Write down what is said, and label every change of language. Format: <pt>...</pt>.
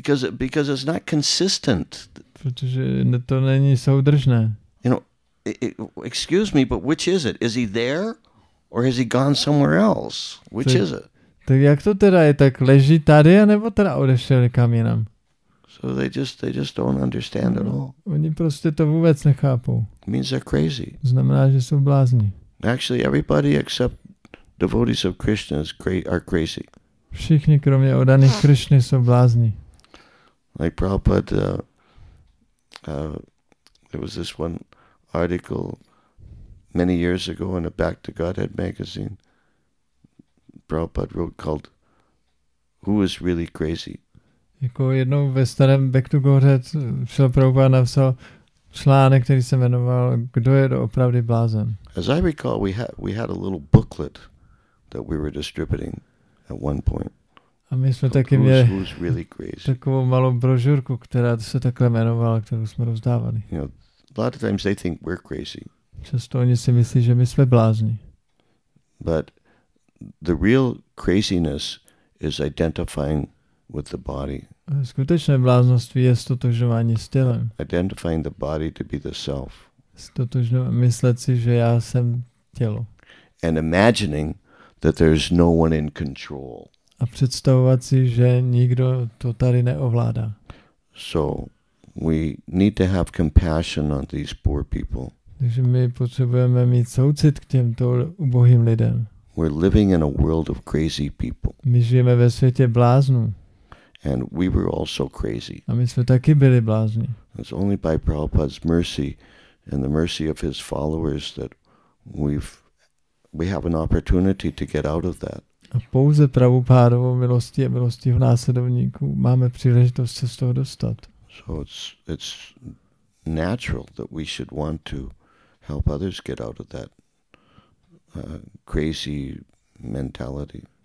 <en>Because it's not consistent.</en> <cs>Protože to není soudržné.</cs> <en>You know, excuse me, but which is it? Is he there or has he gone somewhere else? Which is it?</en> <cs>Tak jak to teda je, tak leží tady a nebo teda odešel kam jinam?</cs> <en>So they just don't understand it all.</en> <cs>Oni prostě to vůbec nechápou.</cs> <en>It means they're crazy.</en> <cs>Znamená, že jsou blázni.</cs> <en>Actually, everybody except devotees of Krishna are crazy.</en> <cs>Všichni kromě oddaných Krišny jsou blázni.</cs> <en>Like Prabhupada, there was this one article many years ago in a Back to Godhead magazine. Prabhupada wrote called "Who is really crazy?"</en> <cs>Jako jednou ve starém Back to Godhead šel Prabhupada napsal článek, který se jmenoval Kdo je doopravdy blázen?</cs> <en>As I recall, we had a little booklet that we were distributing at one point.</en> <cs>A my jsme taky měli takovou malou brožurku, která se takhle jmenovala, kterou jsme rozdávali.</cs> <en>You know, a lot of times they think we're crazy.</en> <cs>Často oni si myslí, že my jsme blázni.</cs> <en>But the real craziness is identifying with the body.</en> <cs>Skutečné bláznoství je stotožování s tělem.</cs> <en>Identifying the body to be the self.</en> <cs>Myslet si, že já jsem tělo.</cs> <en>And imagining that there's no one in control.</en> <cs>A představovat si, že nikdo to tady neovládá.</cs> <en>So we need to have compassion on these poor people.</en> <cs>Takže my potřebujeme mít soucit k těmto ubohým lidem.</cs> <en>We're living in a world of crazy people.</en> <cs>My žijeme ve světě bláznů.</cs> <en>And we were also crazy.</en> <cs>A my jsme taky byli blázni.</cs> <en>It's only by Prabhupada's mercy and the mercy of his followers that we have an opportunity to get out of that.</en> <cs>A pouze Prabhupádovou milostí a milostí jeho následovníků máme příležitost se z toho dostat.</cs> <en>So it's natural that we should want to help others get out of that crazy mentality.</en>